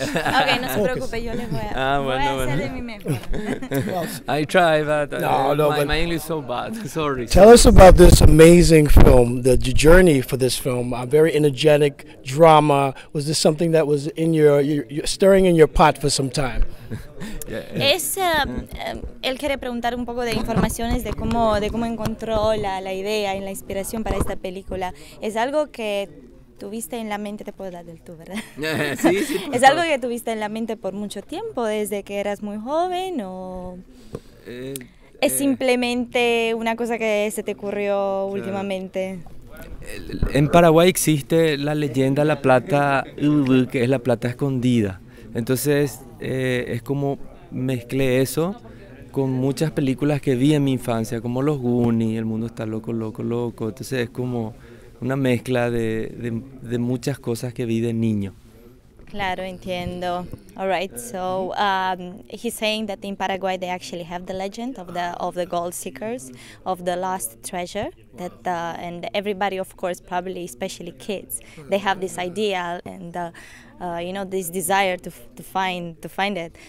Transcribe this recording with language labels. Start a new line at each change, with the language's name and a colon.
Spanish: Okay, no se preocupe, yo le voy a hacer de mi mejor.
English: I try, but my English is so bad. Sorry. Tell us about this amazing film, the journey for this film, a very energetic drama. Was this something that was in your stirring in your pot for some time?
Spanish: Es él quiere preguntar un poco de informaciones de cómo encontró la idea y la inspiración para esta película. Es algo que... tuviste en la mente, te puedo dar del tú, ¿verdad? Sí, sí. ¿Es algo que tuviste en la mente por mucho tiempo, desde que eras muy joven, o es simplemente una cosa que se te ocurrió últimamente? En Paraguay existe la leyenda, la plata, que es la plata escondida. Entonces, es como mezclé eso con muchas películas que vi en mi infancia, como Los Goonies, El Mundo Está Loco, Loco, Loco. Entonces, es como... una mezcla de muchas cosas que vi de niño. Claro, entiendo.
English: All right, so he's saying that in Paraguay they actually have the legend of the gold seekers, of the lost treasure. And everybody, of course, probably especially kids, they have this idea and you know, this desire to find it.